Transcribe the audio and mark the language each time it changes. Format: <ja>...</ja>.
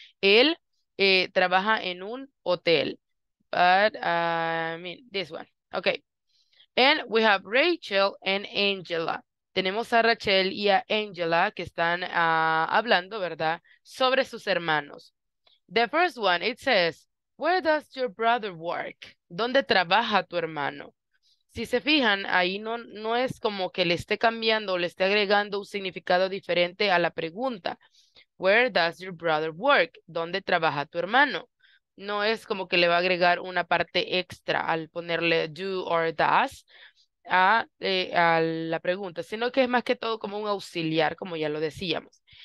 <es>Él trabaja en un hotel.</es> <en>But, I mean, this one. Okay. And we have Rachel and Angela.</en> <es>Tenemos a Rachel y a Angela que están hablando, ¿verdad?, sobre sus hermanos.</es> <en>The first one, it says, where does your brother work?</en> <es>¿Dónde trabaja tu hermano? Si se fijan, ahí no es como que le esté cambiando o le esté agregando un significado diferente a la pregunta.</es> <en>Where does your brother work?</en> <es>¿Dónde trabaja tu hermano? No es como que le va a agregar una parte extra al ponerle do or does a la pregunta, sino que es más que todo como un auxiliar, como ya lo decíamos.</es>